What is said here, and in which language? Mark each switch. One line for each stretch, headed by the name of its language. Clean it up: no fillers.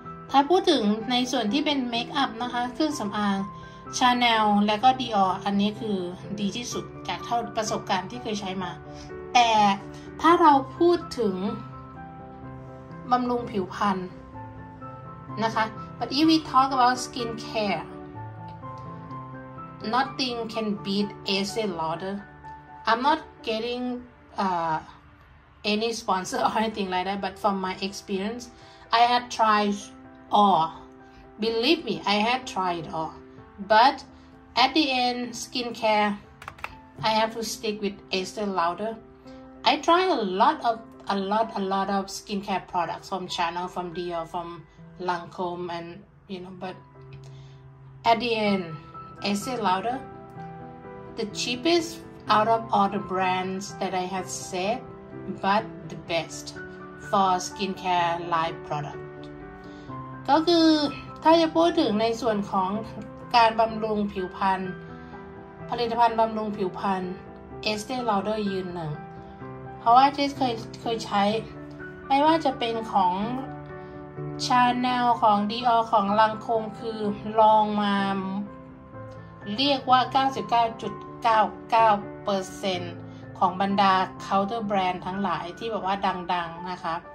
Thai: ถ้าพูดถึงในส่วนที่เป็นเมคอัพนะคะเครื่องสำอาง Chanel และก็ Dior อันนี้คือดีที่สุดจากเท่าประสบการณ์ที่เคยใช้มาแต่ถ้าเราพูดถึงบำรุงผิวพรรณนะคะ
English: But if we talk about skin careNothing can beat Estée Lauder. I'm not getting any sponsor or anything like that, but from my experience, I had tried all. Believe me, I had tried all. But at the end, skincare, I have to stick with Estée Lauder. I try a lot of skincare products from Chanel, from Dior, from Lancome, and you know, but at the end,Estée Lauder, the cheapest out of all the brands that I have said, but the best for skincare line product.
Thai: ก็คือถ้าจะพูดถึงในส่วนของการบำรุงผิวพรรณผลิตภัณฑ์บำรุงผิวพรรณ Estée Lauder ยืนหนึ่งเพราะว่าเคยใช้ไม่ว่าจะเป็นของChanel ของ Dior ของ Lancome คือลองมาเรียกว่า 99.99% ของบรรดาเคาน์เตอร์แบรนด์ทั้งหลายที่แบบว่าดังๆนะคะ